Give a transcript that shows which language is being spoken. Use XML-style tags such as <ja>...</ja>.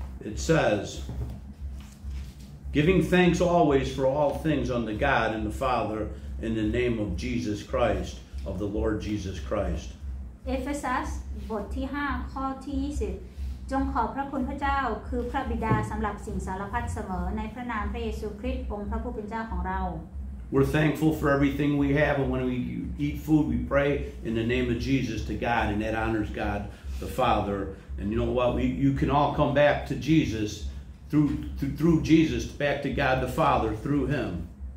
<en>It says, giving thanks always for all things unto God and the Father in the name of Jesus Christ, of the Lord Jesus Christ.</en> <th>Ephesians, บทที่ 5, ข้อที่ 20. จงขอบพระคุณพระเจ้าคือพระบิดาสำหรับสิ่งสารพัดเสมอในพระนามพระเยซูคริสต์องค์พระผู้เป็นเจ้าของเรา</th> <en>We're thankful for everything we have, and when we eat food, we pray in the name of Jesus to God, and that honors God the Father. And you know what? You can all come back to Jesus through Jesus, back to God the Father through Him.</en>